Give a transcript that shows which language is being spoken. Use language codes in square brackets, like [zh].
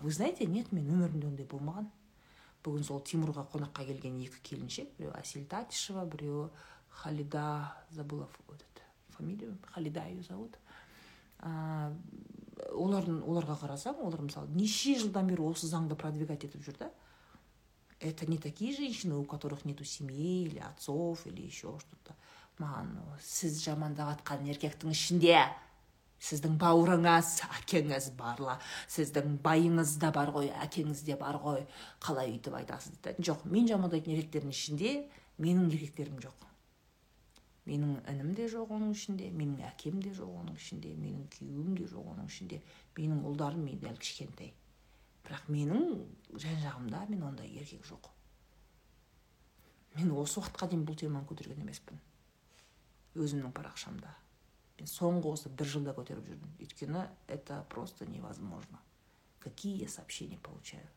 [ru] Вы знаете, нет, [kk] мен өмірімде ондай болмаған. Бүгін сол Тимурға қонаққа келген екі келіншек, біреу Асель Татишева, біреу Халида, [ru] забыла фамилию, Халида ее зовут. [kk] оларға қарасам, олар мысалы неше жылдан бері осы заңды продвигать етіп жүрді. [ru] Это не такие женщины, у которых нету семей или отцов или еще что-то. [kk] Маған, сіз жамандаватқан еркектің ішінде сіздің бауырыңыз, әкеңіз барла, сіздің байыңыз да бар ғой, әкеңіз де бар ғой, қалай үйтіп айтасыз деді. Жоқ, мен жамандайтын еркектердің ішінде менің еркектерім жоқ. Менің інім де жоқ оның ішінде, менің әкем де жоқ оның ішінде, менің күйеуім де жоқ оның ішінде, менің ұлдарым мен дәл кішкентай. Бірақ менің жан-жағымда мен ондай еркек жоқ. Мен осы уақытқа дейін бұл теманы көтерген емеспін. Өзімнің парақшамда. Мен соңғы осы бір жылда көтеріп жүрдім. [ru] Өйткені это просто невозможно. Какие сообщения получаю?